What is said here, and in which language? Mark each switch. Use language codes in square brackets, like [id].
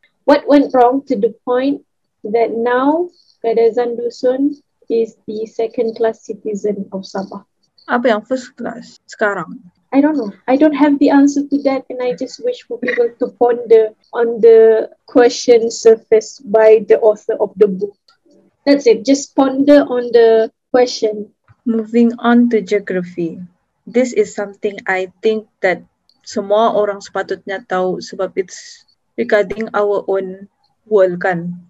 [en] What went wrong to the point that now Kadazan Dusun is the second class citizen of Sabah? [ms] Apa yang first class sekarang? [en] I don't know. I don't have the answer to that, and I just wish for people to ponder on the question surfaced by the author of the book. That's it. Just ponder on the question. Moving on to geography. This is something I think that [ms] semua orang sepatutnya tahu sebab [en] it's regarding our own world kan.